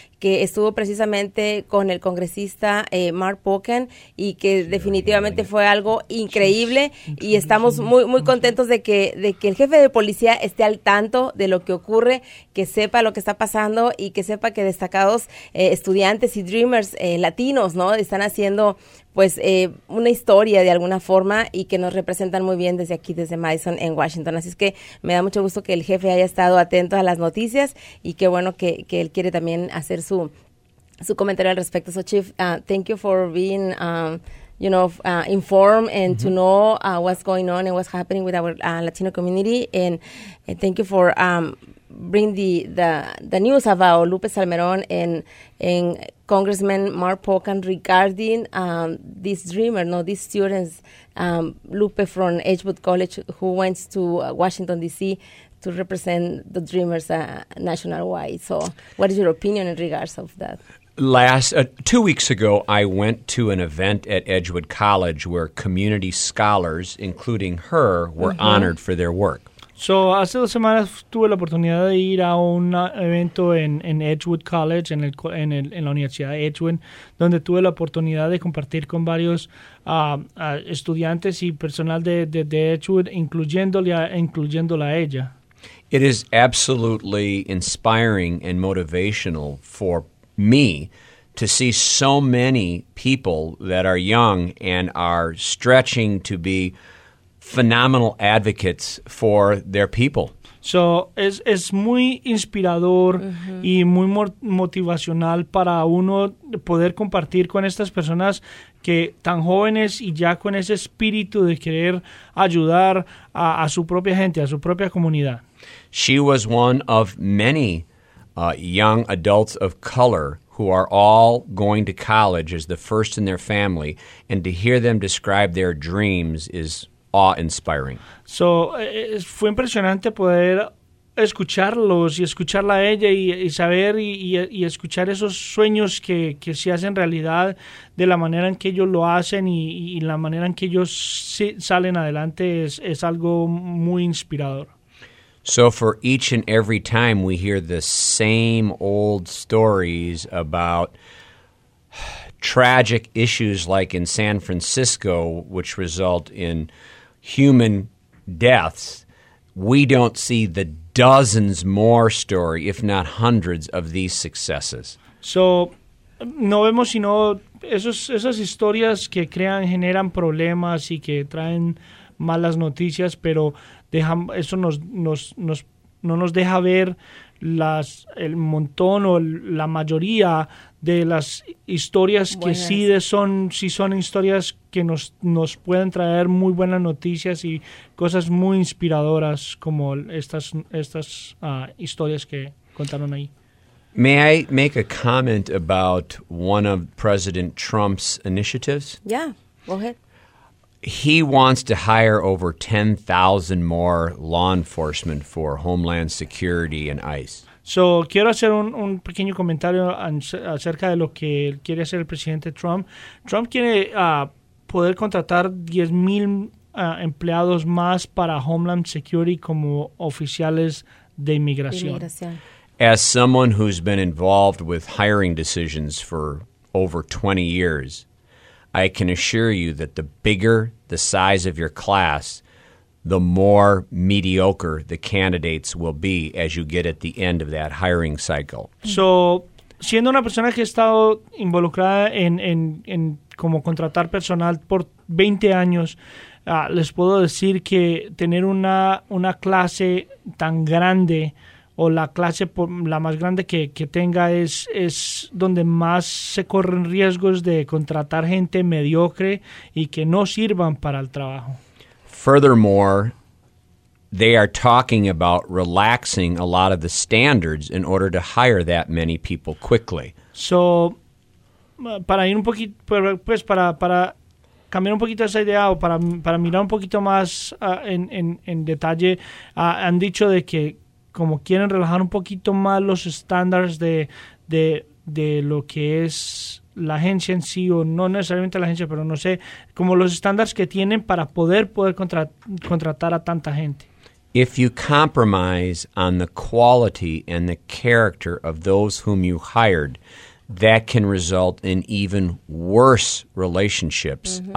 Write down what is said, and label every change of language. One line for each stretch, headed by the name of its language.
Spanish: que estuvo precisamente con el congresista Mark Pocan, y que definitivamente fue algo increíble, y estamos muy muy contentos de que el jefe de policía esté al tanto de lo que ocurre, que sepa lo que está pasando y que sepa que destacados estudiantes y dreamers latinos, ¿no?, están haciendo pues una historia de alguna forma y que nos representan muy bien desde aquí, desde Madison en Washington. Así es que me da mucho gusto que el jefe haya estado atento a las noticias, y qué bueno que él quiere también hacer su comentario al respecto.
English: So chief, thank you for being informed and mm-hmm. to know what's going on and what's happening with our Latino community, and thank you for bring the news about Lupe Salmerón and Congressman Mark Pocan regarding this dreamer, no, these students, Lupe from Edgewood College, who went to Washington D.C. to represent the dreamers national wide. So, what is your opinion in regards of that? 2 weeks ago, I went to an event at Edgewood College where community scholars, including her, were mm-hmm. honored for their work.
Spanish: So, hace dos semanas tuve la oportunidad de ir a un evento en Edgewood College, en la Universidad de Edgewood, donde tuve la oportunidad de compartir con varios estudiantes y personal de Edgewood, incluyéndola a ella.
English: It is absolutely inspiring and motivational for me to see so many people that are young and are stretching to be phenomenal advocates for their people.
Spanish: So es muy inspirador uh-huh. y muy motivacional para uno poder compartir con estas personas que tan jóvenes y ya con ese espíritu de querer ayudar a su propia gente, a su propia comunidad.
English: She was one of many young adults of color who are all going to college as the first in their family, and to hear them describe their dreams is awe-inspiring.
Spanish: So, fue impresionante poder escucharlos y escucharla a ella y saber y escuchar esos sueños que se hacen realidad de la manera en que ellos lo hacen y la manera en que ellos salen adelante es algo muy inspirador.
English: So, for each and every time we hear the same old stories about tragic issues like in San Francisco, which result in human deaths, we don't see the dozens more story, if not hundreds, of these successes.
Spanish: So, no vemos sino esas historias que crean, generan problemas y que traen malas noticias, pero eso no nos deja ver el montón o la mayoría de las historias que sí son historias que nos pueden traer muy buenas noticias y cosas muy inspiradoras como estas historias que contaron ahí.
English: May I make a comment about one of President Trump's initiatives? Yeah, go ahead. He wants to hire over 10,000 more law enforcement for Homeland Security and ICE.
Spanish: So, quiero hacer un pequeño comentario acerca de lo que quiere hacer el presidente Trump. Trump quiere poder contratar 10,000 empleados más para Homeland Security como oficiales de inmigración.
English: As someone who's been involved with hiring decisions for over 20 years, I can assure you that the bigger the size of your class, the more mediocre the candidates will be as you get at the end of that hiring cycle.
Spanish: So, siendo una persona que ha estado involucrada en como contratar personal por 20 años, les puedo decir que tener una clase tan grande o la clase la más grande que tenga es donde más se corren riesgos de contratar gente mediocre y que no sirvan para el trabajo.
English: Furthermore, they are talking about relaxing a lot of the standards in order to hire that many people quickly.
Spanish: So, para ir un poquito, pues para cambiar un poquito esa idea o para mirar un poquito más en detalle, han dicho de que como quieren relajar un poquito más los estándares de lo que es la agencia en sí, o no necesariamente la agencia, pero no sé, como los estándares que tienen para poder contratar a tanta gente.
English: If you compromise on the quality and the character of those whom you hired, that can result in even worse relationships mm-hmm.